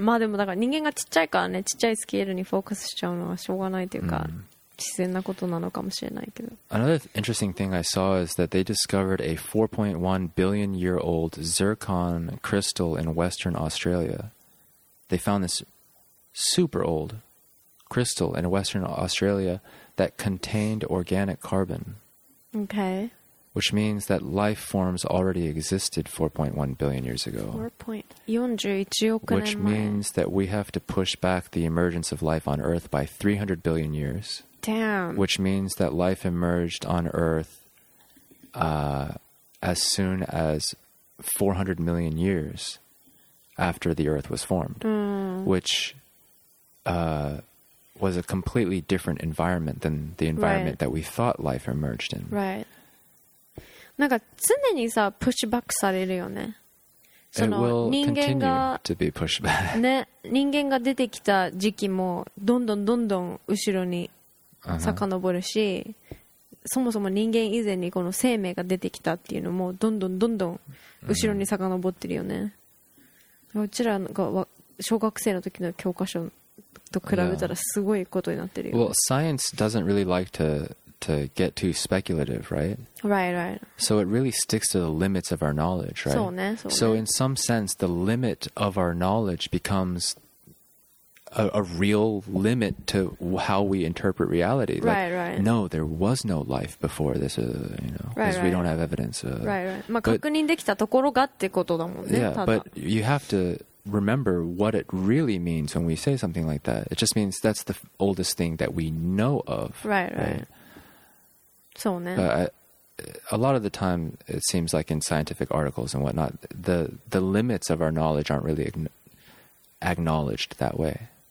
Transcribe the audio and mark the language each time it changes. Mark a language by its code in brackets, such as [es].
[ja] まあでもだから人間がちっちゃいからね、ちっちゃいスケールにフォーカスしちゃうのはしょうがないというか、自然なことなのかもしれないけど。 [en] Another interesting thing I saw is that they discovered a 4.1 billion year old zircon crystal in Western Australia. They found this... super old crystal in Western Australia that contained organic carbon. Okay. Which means that life forms already existed 4.1 billion years ago. [ja] 4.41億年前. [en] Which means that we have to push back the emergence of life on Earth by 300 billion years. Damn. Which means that life emerged on Earth as soon as 400 million years after the Earth was formed. Which... was a completely different environment than the environment that we thought life emerged in. Right. [ja] なんか常にさ、プッシュバックされるよね。 [en] It will continue to be pushed back. [ja] ね、人間が出てきた時期もどんどんどんどん後ろに遡るし、そもそも人間以前にこの生命が出てきたっていうのもどんどんどんどん後ろに遡ってるよね。うちらが小学生の時の教科書と比べたらすごいことになってるよ、ね。 [en] Yeah. Well, science doesn't really like to get too speculative, right? Right, right. So it really sticks to the limits of our knowledge, right? [ja] そうね、そうね。 [en] So in some sense, the limit of our knowledge becomes a real limit to how we interpret reality. Like, right, right. No, there was no life before this, you know, because right, we don't have evidence. Right. [ja] 確認できたところがってことだもんね。 [en] Yeah, but you have to remember what it really means when we say something like that. It just means that's the oldest thing that we know of. Right. [ja] そうね。 [en] But a lot of the time, it seems like in scientific articles and whatnot, the limits of our knowledge aren't really acknowledged that way.